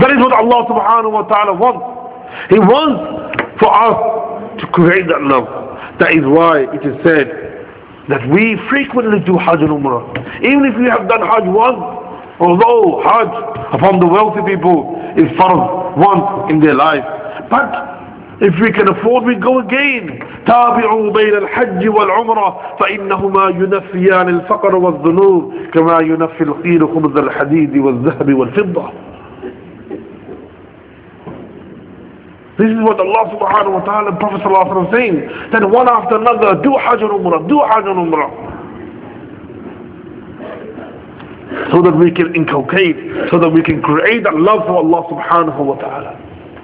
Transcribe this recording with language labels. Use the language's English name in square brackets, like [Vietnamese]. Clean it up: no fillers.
[English] That is what Allah subhanahu wa ta'ala wants. He wants for us to create that love. That is why it is said that we frequently do Hajj and Umrah. Even if we have done Hajj once, although Hajj upon the wealthy people is farz once in their life. But if we can afford, we go again. [Arabic] تابعوا بين الحج والعمرة فإنهما ينفيان الفقر والذنوب كما ينفي القيل خبز الحديد والذهب والفضة. [English] This is what Allah subhanahu wa ta'ala and Prophet sallallahu alayhi wa sallam saying, that one after another, do Hajj and Umrah, do Hajj and Umrah. so that we can inculcate, so that we can create that love for Allah subhanahu wa ta'ala.